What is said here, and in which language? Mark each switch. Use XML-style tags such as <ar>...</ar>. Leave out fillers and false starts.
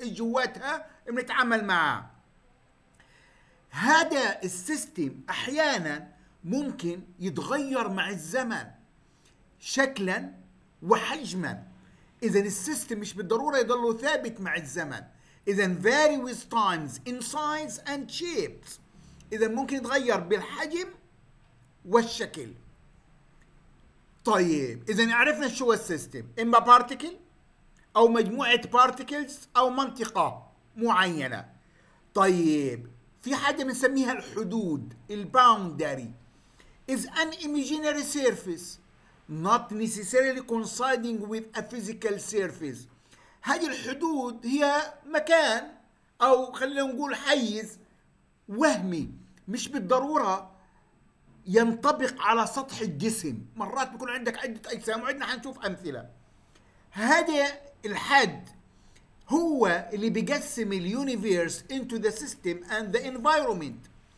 <ar>ايش جواتها بنتعامل معها؟ هذا السيستم احيانا ممكن يتغير مع الزمن شكلا وحجما. اذا السيستم مش بالضرورة يضل ثابت مع الزمن. اذا vary with times in size and shapes، اذا ممكن يتغير بالحجم والشكل. طيب اذا عرفنا شو السيستم، اما بارتيكل او مجموعة بارتيكلز او منطقة معينة. طيب في حاجة بنسميها الحدود، الباوندري.</ar> <en>is an imaginary surface not necessarily coinciding with a physical surface.</en> <ar>هذه الحدود هي مكان، او خلينا نقول حيز وهمي، مش بالضرورة ينطبق على سطح الجسم. مرات بيكون عندك عدة اجسام، وعندنا حنشوف امثلة. هذا الحد هو اللي بيقسم اليونيفيرس into the system and the environment.</ar>